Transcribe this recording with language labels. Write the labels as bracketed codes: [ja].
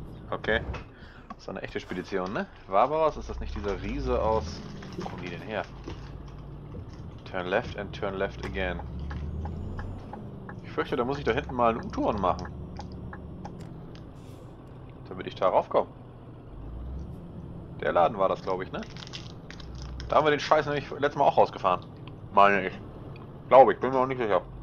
[de] Okay. Das ist eine echte Spedition, ne? Barbaros, ist das nicht dieser Riese aus... Wo kommen die denn her? [en] Turn left and turn left again. [de] Ich fürchte, da muss ich da hinten mal einen U-Turn machen. Damit ich da raufkomme. Der Laden war das, glaube ich, ne? Da haben wir den Scheiß nämlich letztes Mal auch rausgefahren. Meine ich. Glaube ich, bin mir noch nicht sicher.